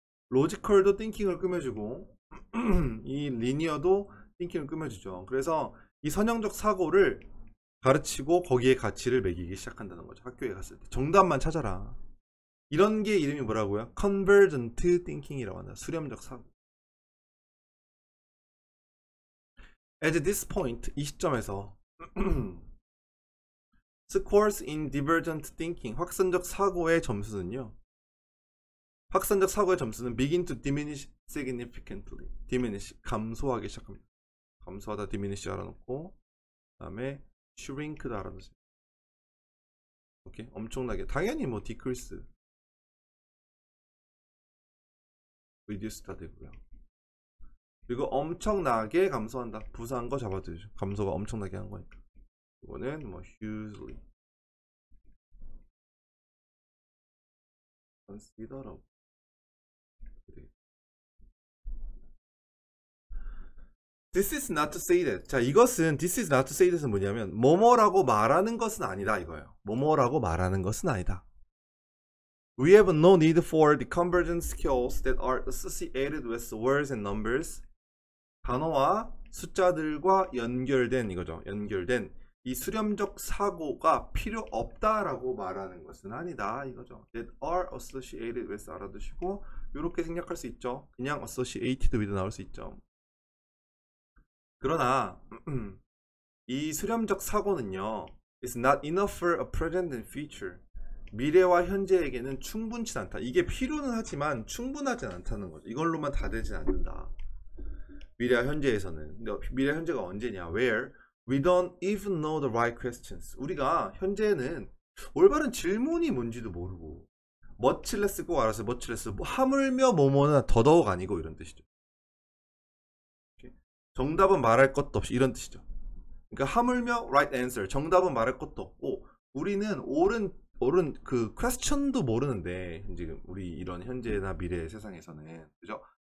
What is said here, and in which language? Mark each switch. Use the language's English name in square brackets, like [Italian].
[Korean] 로지컬도 thinking을 꾸며주고 이 리니어도 thinking을 꾸며주죠. 그래서 이 선형적 사고를 가르치고 거기에 가치를 매기기 시작한다는 거죠. 학교에 갔을 때 정답만 찾아라. 이런 게 이름이 뭐라고요? Convergent thinking이라고 한다. 수렴적 사고. [English] At this point, [Korean] 이 시점에서 [English] scores in divergent thinking, [Korean] 확산적 사고의 점수는요. 확산적 사고의 점수는 [English] begin to diminish significantly. [Korean] diminish, 감소하기 시작합니다. 감소하다 diminish 알아놓고, 그다음에 shrink도 알아놓으세요. 오케이, 엄청나게. 당연히 뭐 decrease, reduce 다 되고요. 그리고 엄청나게 감소한다. 부사한 거 잡아두죠. 감소가 엄청나게 한 거니까. 이거는 뭐 hugely. [English] considerable. 그래. This is not to say that. [Korean] 자, 이것은 [English] this is not to say that [Korean] 은 뭐냐면 뭐뭐라고 말하는 것은 아니다 이거예요. 뭐뭐라고 말하는 것은 아니다. [English] We have no need for the convergent skills that are associated with words and numbers. [Korean] 단어와 숫자들과 연결된 이거죠. 연결된 이 수렴적 사고가 필요 없다라고 말하는 것은 아니다 이거죠. [English] That are associated with [Korean] 알아두시고 이렇게 생략할 수 있죠. 그냥 associated with 나올 수 있죠. 그러나 이 수렴적 사고는요, [English] is not enough for a present and future. [Korean] 미래와 현재에게는 충분치 않다. 이게 필요는 하지만 충분하지 않다는 거죠. 이걸로만 다 되진 않는다. 미래와 현재에서는. 근데 미래와 현재가 언제냐? [English] Where we don't even know the right questions. [Korean] 우리가 현재는 올바른 질문이 뭔지도 모르고. Muchless 꼭 알아서 Muchless. 하물며 뭐뭐나 더더욱 아니고 이런 뜻이죠. 정답은 말할 것도 없이 이런 뜻이죠. 그러니까 하물며 [English] right answer. [Korean] 정답은 말할 것도 없고 우리는 옳은 그 question도 모르는데 지금 우리 이런 현재나 미래 세상에서는 그죠?